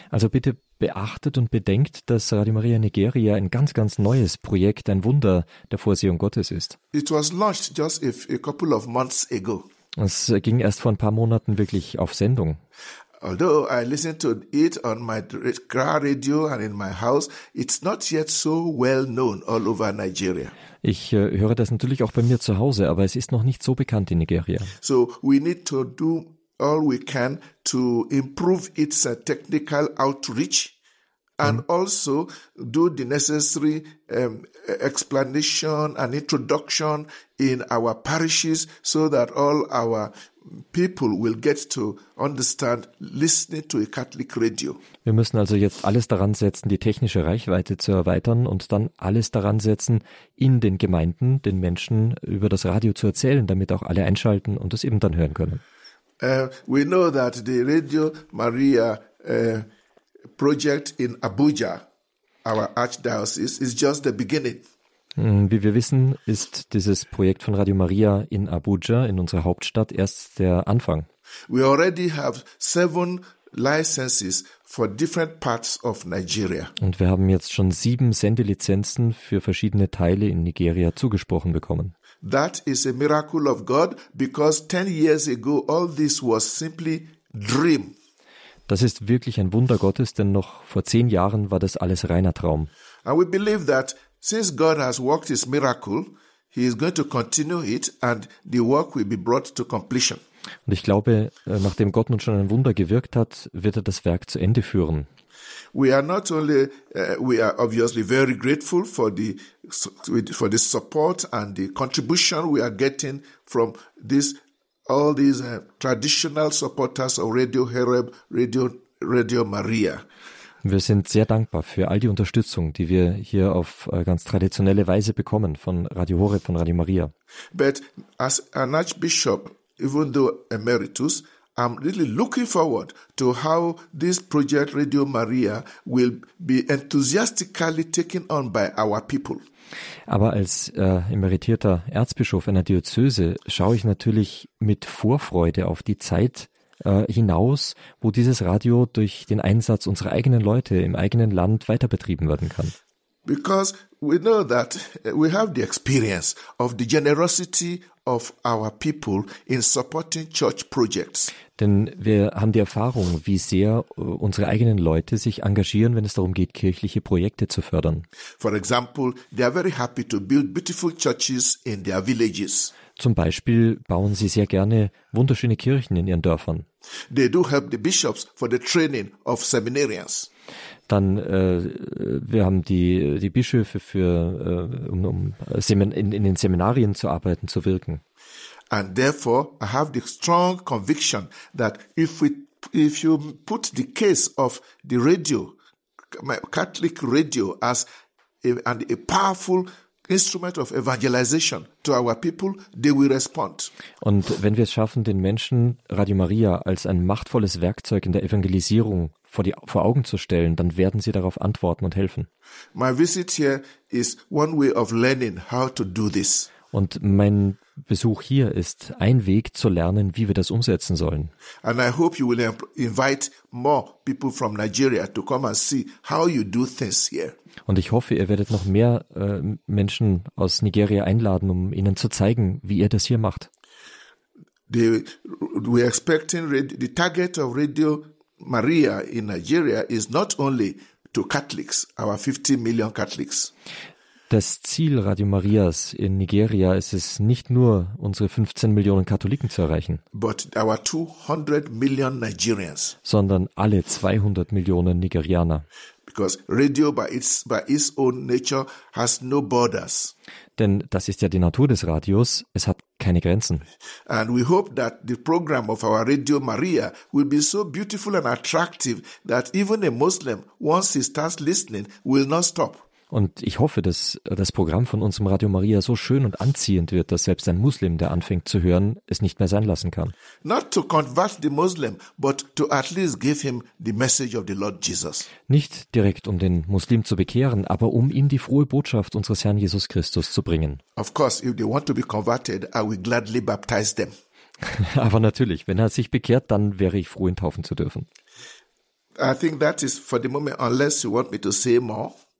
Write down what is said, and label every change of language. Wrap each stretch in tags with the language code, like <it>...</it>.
<de>Also bitte beachtet und bedenkt, dass Radio Maria Nigeria ein ganz, ganz neues Projekt, ein Wunder der Vorsehung Gottes ist.</de> <en>It was launched just a couple of months ago.</en> <de>Es ging erst vor ein paar Monaten wirklich auf Sendung.</de> <en>Although I listen to it on my radio and in my house, it's not yet so well known all over Nigeria.</en> <de>Ich höre das natürlich auch bei mir zu Hause, aber es ist noch nicht so bekannt in Nigeria.</de> <en>So we need to do all we can to improve its technical outreach and also do the necessary explanation and introduction in our parishes so that all our people will get to understand listening to a Catholic radio.</en> <de>Wir müssen also jetzt alles daran setzen, die technische Reichweite zu erweitern und dann alles daran setzen, in den Gemeinden den Menschen über das Radio zu erzählen, damit auch alle einschalten und es eben dann hören können.</de> <en>We know that the Radio Maria project in Abuja, our archdiocese, is just the beginning.</en> <de>Wie wir wissen, ist dieses Projekt von Radio Maria in Abuja, in unserer Hauptstadt, erst der Anfang.</de> <en>We already have 7 licenses for different parts of Nigeria.</en> <de>Und wir haben jetzt schon 7 Sendelizenzen für verschiedene Teile in Nigeria zugesprochen bekommen.</de> <en>That is a miracle of God, because 10 years ago all this was simply dream.</en> <de>Das ist wirklich ein Wunder Gottes, denn noch vor 10 Jahren war das alles reiner Traum.</de> <en>And we believe that since God has worked his miracle, he is going to continue it and the work will be brought to completion.</en> <de>Und ich glaube, nachdem Gott nun schon ein Wunder gewirkt hat, wird er das Werk zu Ende führen.</de> <en>We are not only we are obviously very grateful for the support and the contribution we are getting from this all these traditional supporters of Radio Horeb, Radio Maria.</en> <de>Wir sind sehr dankbar für all die Unterstützung, die wir hier auf ganz traditionelle Weise bekommen von Radio Horeb, von Radio Maria.</de> <en>But as an archbishop, even though emeritus, I'm really looking forward to how this project Radio Maria will be enthusiastically taken on by our people.</en> <de>Aber als emeritierter Erzbischof einer Diözese schaue ich natürlich mit Vorfreude auf die Zeit hinaus, wo dieses Radio durch den Einsatz unserer eigenen Leute im eigenen Land weiterbetrieben werden kann.</de> <en>Because we know that we have the experience of the generosity of our people in supporting church projects.</en> <de>Denn wir haben die Erfahrung, wie sehr unsere eigenen Leute sich engagieren, wenn es darum geht, kirchliche Projekte zu fördern.</de> <en>For example, they are very happy to build beautiful churches in their villages.</en> <de>Zum Beispiel bauen sie sehr gerne wunderschöne Kirchen in ihren Dörfern.</de> <en>They do help the bishops for the training of seminarians.</en> <de>Dann wir haben die Bischöfe für in den Seminarien zu arbeiten, zu wirken.</de> <en>And therefore I have the strong conviction that if you put the case of the radio, Catholic radio, as a powerful instrument of evangelization to our people, they will respond.</en> <de>Und wenn wir es schaffen, den Menschen Radio Maria als ein machtvolles Werkzeug in der Evangelisierung vor Augen zu stellen, dann werden sie darauf antworten und helfen.</de> <en>My visit here is one way of learning how to do this.</en> <de>Und mein Besuch hier ist ein Weg zu lernen, wie wir das umsetzen sollen.</de> <en>And I hope you will invite more people from Nigeria to come and see how you do things here.</en> <de>Und ich hoffe, ihr werdet noch mehr Menschen aus Nigeria einladen, um ihnen zu zeigen, wie ihr das hier macht.</de> <en>We are expecting the target of Radio Maria in Nigeria is not only to Catholics, our 50 million Catholics.</en> <de>Das Ziel Radio Marias in Nigeria ist es nicht nur, unsere 15 Millionen Katholiken zu erreichen,</de> <en>but our 200 million Nigerians,</en> <de>sondern alle 200 Millionen Nigerianer.</de> <en>Because radio by its own nature has no borders.</en> <de>Denn das ist ja die Natur des Radios, es hat keine Grenzen.</de> <en>And we hope that the program of our Radio Maria will be so beautiful and attractive that even a Muslim, once he starts listening, will not stop.</en> <de>Und ich hoffe, dass das Programm von unserem Radio Maria so schön und anziehend wird, dass selbst ein Muslim, der anfängt zu hören, es nicht mehr sein lassen kann.</de> <en>Not to convert the Muslim, but to at least give him the message of the Lord Jesus.</en> <de>Nicht direkt, um den Muslim zu bekehren, aber um ihm die frohe Botschaft unseres Herrn Jesus Christus zu bringen.</de> <en>Of course, if they want to be converted, I will gladly baptize them.</en> <de>Aber natürlich, wenn er sich bekehrt, dann wäre ich froh, ihn taufen zu dürfen.</de> <en>I think that is for the moment, unless you want me to say more.</en>